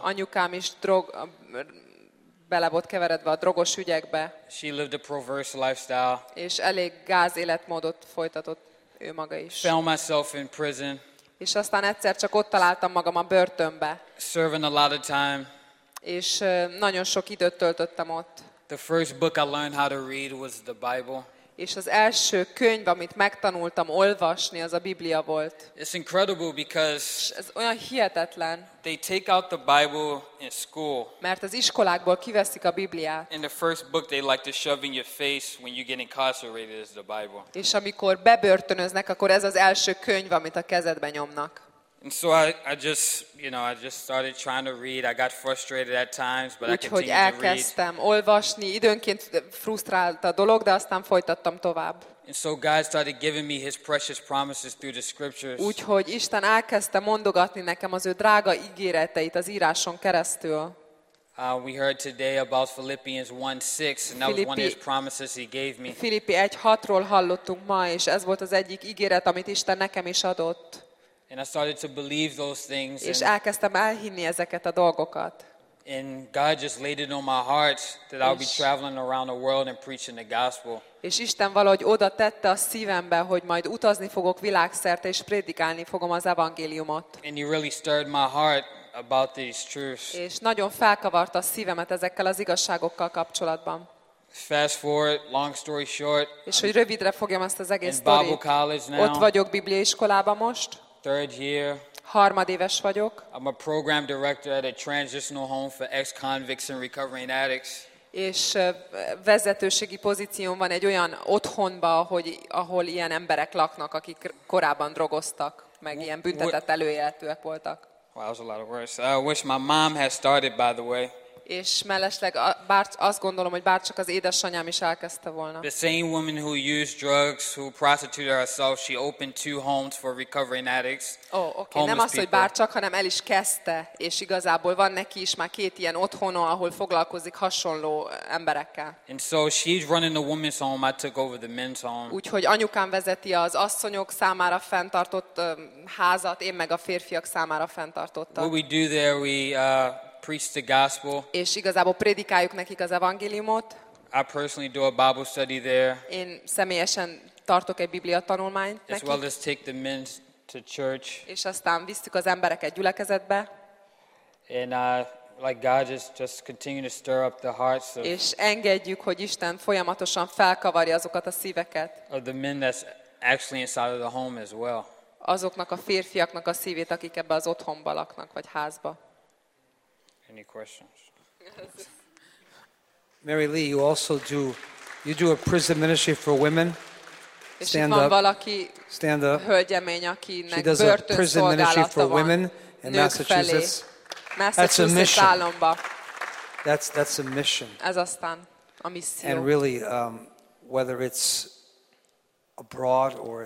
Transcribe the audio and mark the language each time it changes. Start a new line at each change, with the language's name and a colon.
Hungarian: Anyukám is bele volt keveredve a drogos ügyekbe.
English: She lived a perverse lifestyle.
Hungarian: És elég gáz életmódot folytatott ő maga is.
English: Found myself in prison.
Hungarian: És aztán egyszer csak ott találtam magam a börtönbe.
English: Serving a lot of time.
Hungarian: És nagyon sok időt töltöttem ott.
English: The first book I learned how to read was the Bible.
Hungarian: És az első könyv, amit megtanultam olvasni, az a Biblia volt.
English: It's incredible because
Hungarian: ez olyan hihetetlen.
English: They take out the Bible in school.
Hungarian: Mert az iskolákból kiveszik a Bibliát.
English: And the first book they like to shove in your face when you get incarcerated is the Bible.
Hungarian: És amikor bebörtönöznek, akkor ez az első könyv, amit a kezedbe nyomnak.
English: And so I just started trying to read. I got frustrated at times, but
Hungarian: úgyhogy
English: I continued to read.
Hungarian: Elkezdtem olvasni, időnként frusztrált a dolog, de aztán folytattam tovább.
English: And so God started giving me His precious promises through the scriptures.
Hungarian: Úgyhogy Isten elkezdte mondogatni nekem az ő drága ígéreteit az íráson keresztül.
English: We heard today about Philippians 1:6, and that was one of His promises He gave me.
Hungarian: Filippi 1:6-ról hallottunk ma, és ez volt az egyik ígéret, amit Isten nekem is adott.
English: And I started to believe those things.
Hungarian: És elkezdtem elhinni ezeket a dolgokat.
English: And God just laid it on my heart that I'll be traveling around the world and preaching the gospel.
Hungarian: És Isten valahogy oda tette a szívembe, hogy majd utazni fogok világszerte és prédikálni fogom az evangéliumot.
English: And He really stirred my heart about these truths.
Hungarian: És nagyon felkavarta a szívemet ezekkel az igazságokkal kapcsolatban.
English: Fast forward, long story short.
Hungarian: És hogy rövidre fogjam ezt az egész
English: sztorit. In Bible college now.
Hungarian: Ott vagyok Biblia iskolában most.
English: Third year.
Hungarian: Harmadéves vagyok.
English: I'm a program director at a transitional home for ex-convicts and recovering addicts.
Hungarian: és vezetőségi pozícióm van egy olyan otthonba, hogy ahol ilyen emberek laknak, akik korábban drogoztak, meg ilyen büntetett előéletűek voltak.
English: Well, that was a lot of words. I wish my mom had started, by the way.
Hungarian: És mellesleg bár azt gondolom, hogy bár csak az édesanyám is elkezdte volna.
English: The same woman who used drugs, who prostituted herself, she opened two homes for recovering addicts. Oh, okay.
Hungarian: Nem az, hogy bár csak, hanem el is kezdte, és igazából van neki is már két ilyen otthona, ahol foglalkozik hasonló emberekkel.
English: And so she's running the women's home, I took over the men's home.
Hungarian: Úgyhogy anyukám vezeti az asszonyok számára fenntartott házat, én meg a férfiak számára fenntartottam.
English: What we do there, we preach the gospel.
Hungarian: És igazából prédikáljuk nekik az evangéliumot.
English: I personally do a Bible study there.
Hungarian: Én személyesen tartok egy Biblia tanulmányt nekik.
English: As well as take the men to church.
Hungarian: És aztán visszük az embereket gyülekezetbe.
English: And like God just continue to stir up the hearts of.
Hungarian: És engedjük, hogy Isten folyamatosan felkavarja azokat a szíveket.
English: Of the men that's actually inside of the home as well.
Hungarian: Azoknak a férfiaknak a szívét, akik ebbe az otthonba laknak vagy házba.
English: Any questions? Mary Lee, you also do, you do a prison ministry for women. Stand up. Stand up.
Hungarian: Hölgyemény, akinek börtönszolgálata van.
English: She does a prison ministry for women in Massachusetts. That's a mission. That's a mission.
Hungarian: Ez aztán a misszió.
English: And really, whether it's abroad or it's.